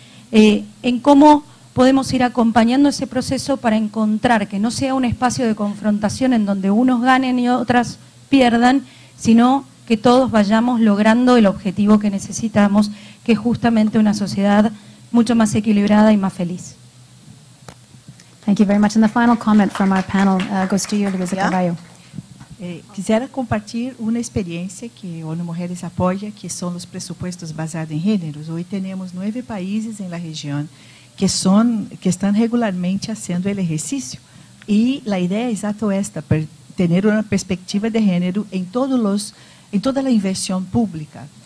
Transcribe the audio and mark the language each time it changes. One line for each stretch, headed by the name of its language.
Spanish: en cómo podemos ir acompañando ese proceso para encontrar que no sea un espacio de confrontación en donde unos ganen y otras pierdan, sino que todos vayamos logrando el objetivo que necesitamos, que es justamente una sociedad mucho más equilibrada y más feliz.
English: Thank you very much. And the final comment from our panel goes to you, Luisa Carvalho.
Spanish: Quisiera compartir una experiencia que ONU Mujeres apoya, que son los presupuestos basados en géneros. Hoy tenemos 9 países en la región que están regularmente haciendo el ejercicio. Y la idea es exacta esta, tener una perspectiva de género en todos los, en toda la inversión pública.